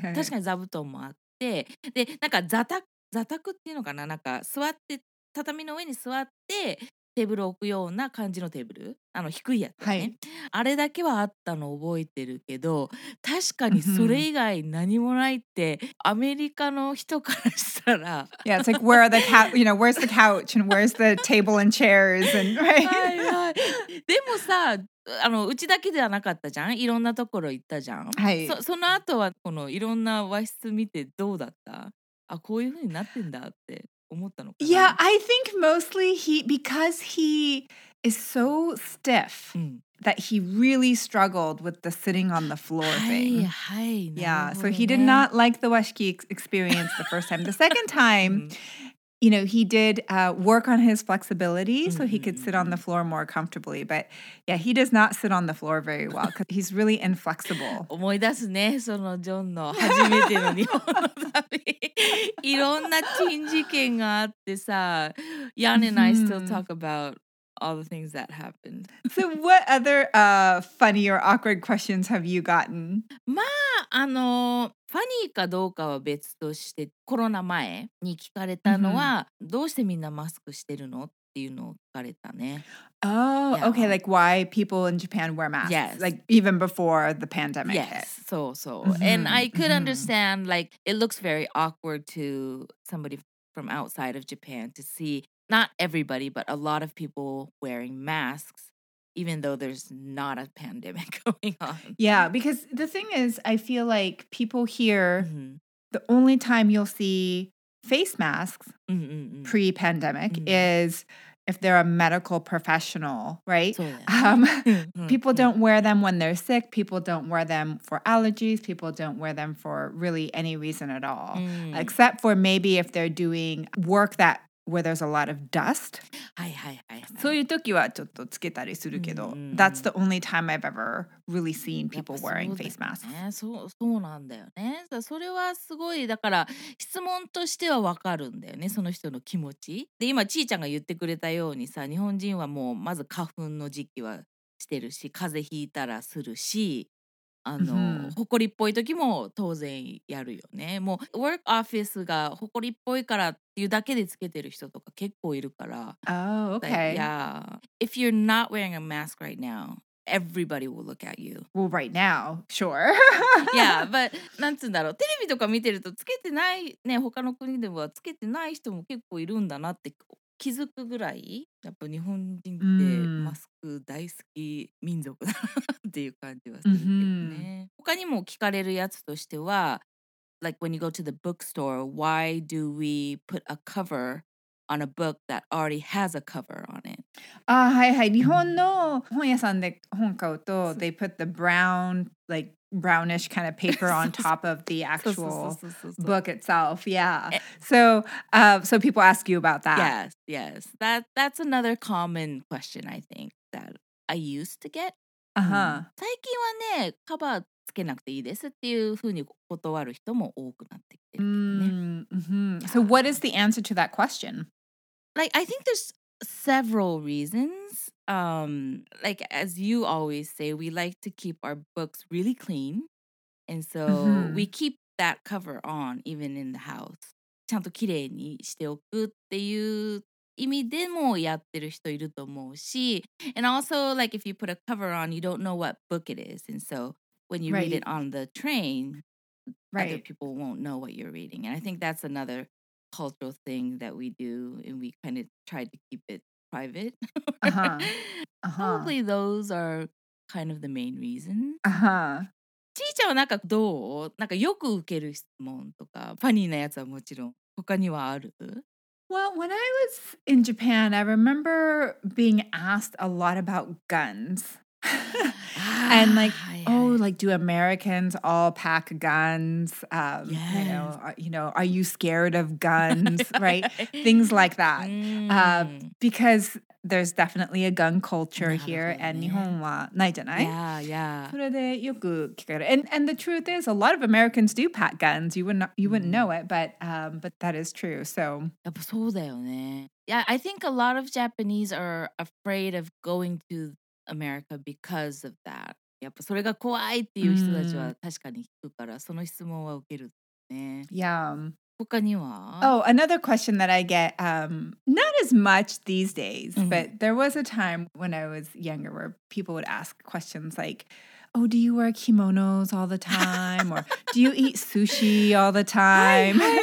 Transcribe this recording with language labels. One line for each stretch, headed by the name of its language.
Japanese: 確かに座布団もあって、で、なんか座卓っていうのかな、なんか座って、畳の上に座って、テーブル置くような感じのテーブル、あの低いやつね、はい、あれだけはあったの覚えてるけど、確かにそれ以外何もないってアメリカの人からしたら、
English: Yeah, it's like where are the you know, where's the couch and where's the table and chairs and right.
Japanese: はい、はい、でもさ、あのうちだけではなかったじゃん、いろんなところ行ったじゃん。はい。その後はこのいろんな和室見てどうだった？あ、こういう風になってんだって。
English: Yeah, I think mostly because he is so stiff、うん、that he really struggled with the sitting on the floor thing.
Japanese: はい、はい、
English: yeah, so he did not like the 和式 experience the first time. The second time, 、うん、you know, he did、work on his flexibility so he could sit on the floor more comfortably. But yeah, he does not sit on the floor very well because he's really inflexible.
Japanese: 思い出すね、そのジョンの初めての日本の旅。いろんな珍事件があってさ、
English: Yan and I still talk about all the things that happened. So what other、funny or awkward questions have you gotten?
Japanese: まあ、あの、ファニーかどうかは別として、コロナ前に聞かれたのは、mm-hmm. どうしてみんなマスクしてるの？っていうのを聞かれたね。
English: Oh, yeah. Okay, like why people in Japan wear masks? Yes. Like even before the pandemic yes. hit. Yes, so, so. Mm-hmm. And I could mm-hmm. understand, like, it looks very awkward to somebody from outside of Japan to see, not everybody, but a lot of people wearing masks, even though there's not a pandemic going on. Yeah, because the thing is, I feel like people here, mm-hmm. the only time you'll see face masks mm-hmm. pre-pandemic mm-hmm. is... if they're a medical professional, right? people don't wear them when they're sick. People don't wear them for allergies. People don't wear them for really any reason at all. Mm. Except for maybe if they're doing work that where there's a lot of dust.
Japanese: はいはいはい、はい。そういう時はちょっとつけたりするけど、mm.
English: that's the only time I've ever really seen people wearing face masks.
Japanese: そうだね。そうなんだよね。それはすごい。だから質問としてはわかるんだよね。その人の気持ち。で、今ちーちゃんが言ってくれたようにさ、日本人はもうまず花粉の時期はしてるし、風邪ひいたらするし、あの、ほこりっぽい時も当然やるよね。もう、ワークオフィスがほこりっぽいからっていうだけでつけてる人とか結構いるから。
English: Oh, okay. Yeah. If you're not wearing a mask right now, everybody will look at you. Well, right now, sure. yeah, but,
Japanese: なんつうんだろう。テレビとか見てるとつけてない、ね、他の国ではつけてない人も結構いるんだなって気づくぐらい、やっぱ日本人ってマスク大好き民族だなっていう感じはするけどね。 Mm-hmm. 他にも聞かれるやつとしては、
English: like when you go to the bookstore, why do we put a cover on a book that already has a cover on it?
Japanese: ああ、はいはい。日本の本屋さんで本買うと、
English: they put the brown, like,brownish kind of paper on top of the actual book itself. Yeah. So people ask you about that. Yes, yes. That's another common question, I think, that I used to get. Uh-huh.
Japanese: 最近はね、カバー使つけなくていいですっていうふうに断る人も多くなってきてるね。Mm-hmm.
English: So what is the answer to that question? Like, I think there's several reasons. Like, as you always say, we like to keep our books really clean. And so we keep that cover on, even in the house.
Japanese: ちゃんときれいにしておくっていう意味でもやってる人いると思うし。
English: And also, like, if you put a cover on, you don't know what book it is. And so when you read it on the train, other people won't know what you're reading. And I think that's another cultural thing that we do. And we kind of try to keep it private. Probably those are kind of the main reasons.
Japanese: ちーちゃんはなんかどう？なんかよく受ける質問とか、ファニーなやつはもちろん、他にはある？
English: Well, when I was in Japan, I remember being asked a lot about guns. And like, oh, like, do Americans all pack guns? Are you scared of guns? Right? Things like that. Because there's definitely a gun culture here, and
Japanese: Nihon wa nai janai.
English: And the truth is, a lot of Americans do pack guns. You wouldn't know it, but that is true. So, I think a lot of Japanese are afraid of going to America because of that.
Japanese: やっぱそれが怖いっていう人たちは確かに聞くから、その質問は受けるね。
English: Yeah.
Japanese: 他には?
English: Oh, another question that I get, not as much these days, but there was a time when I was younger where people would ask questions like, oh, do you wear kimonos all the time? Or do you eat sushi all the time?